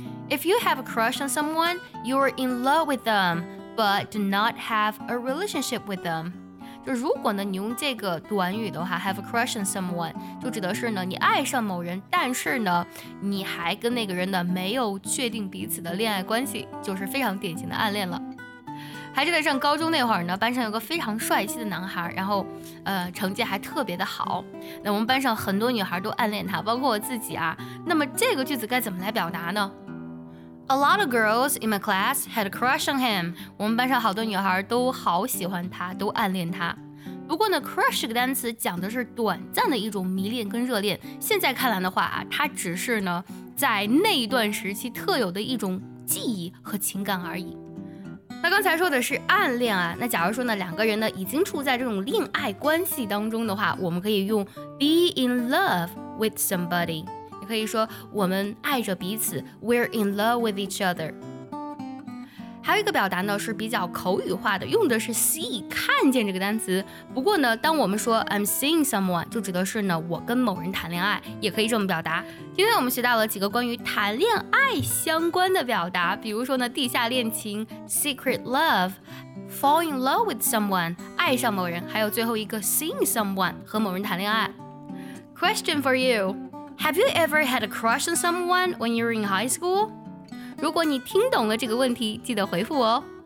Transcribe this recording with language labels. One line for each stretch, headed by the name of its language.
English: If you have a crush on someone, you're in love with them, but do not have a relationship with them.
Chinese: 就如果呢，你用这个短语的话 ，
English: have a crush on someone，
Chinese: 就指的是呢，你爱上某人，但是呢，你还跟那个人呢没有确定彼此的恋爱关系，就是非常典型的暗恋了。还记得上高中那会儿呢，班上有个非常帅气的男孩，然后成绩还特别的好，那我们班上很多女孩都暗恋他，包括我自己啊。那么这个句子该怎么来表达呢？
English: A lot of girls in my class had a crush on him.
Chinese: 我们班上好多女孩都好喜欢他，都暗恋他。不过呢， crush 这个单词讲的是短暂的一种迷恋跟热恋，现在看来的话啊，它只是呢在那一段时期特有的一种记忆和情感而已。那刚才说的是暗恋啊，那假如说呢两个人呢已经处在这种恋爱关系当中的话，我们可以用
English: be in love with somebody，
Chinese: 也可以说我们爱着彼此，
English: we're in love with each other。
Chinese: 还有一个表达呢是比较口语化的，用的是 see， 看见这个单词。不过呢当我们说
English: I'm seeing someone，
Chinese: 就指的是呢我跟某人谈恋爱，也可以这么表达。今天我们学到了几个关于谈恋爱相关的表达，比如说呢地下恋情 secret love，
English: fall in love with someone，
Chinese: 爱上某人，还有最后一个 seeing someone， 和某人谈恋爱。
English: Question for you， Have you ever had a crush on someone when you were in high school？
Chinese: 如果你听懂了这个问题，记得回复我哦。